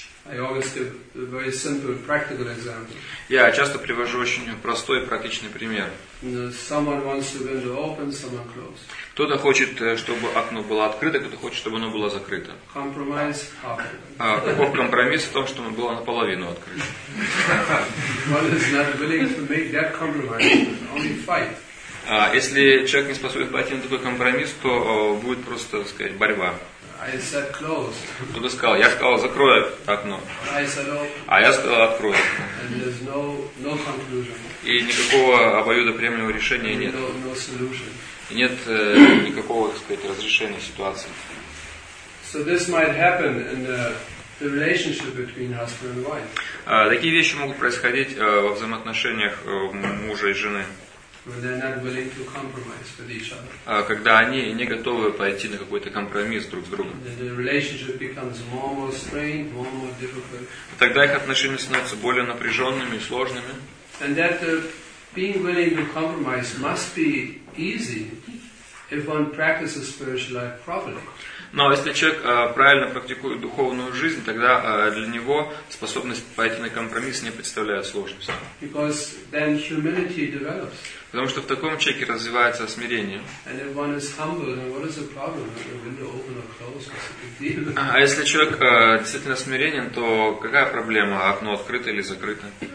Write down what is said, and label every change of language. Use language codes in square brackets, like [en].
[en] I always give a very simple practical example. [ru] Я часто привожу очень простой практичный пример. [en] Someone wants the window open, someone closed. [ru] Кто-то хочет, чтобы окно было открыто, кто-то хочет, чтобы оно было закрыто. [en] Compromise half. [ru] Каков компромисс в том, что оно было наполовину открыто? [en] One is not willing to make that compromise, only fight. [ru] Если человек не способен пойти на такой компромисс, то будет просто, так сказать, борьба. [en] I said close. [ru] Кто-то сказал, я сказал, закрой окно. [en] I said open. [ru] А я сказал, открой. [en] And there's no conclusion. [ru] И никакого обоюдоприемлемого решения нет. [en] No solution. [ru] И нет никакого, так сказать, разрешения ситуации. [en] So this might happen in the relationship between husband and wife. [ru] Такие вещи могут происходить во взаимоотношениях мужа и жены. [en] When they're not willing to compromise with each other. [ru] Когда они не готовы пойти на какой-то компромисс друг с другом. [en] Then the relationship becomes more strained, more difficult. [ru] Тогда их отношения становятся более напряженными и сложными. [en] And that being willing to compromise must be easy if one practices spiritual life properly. [ru] Но если человек правильно практикует духовную жизнь, тогда для него способность пойти на компромисс не представляет сложности. [en] Because then humility develops. [ru] Потому что в таком человеке развивается смирение. [en] And if one is humble, then what is the problem? The window open or closed? What's the big deal? [ru] А если человек действительно смиренен, то какая проблема? Окно открыто или закрыто?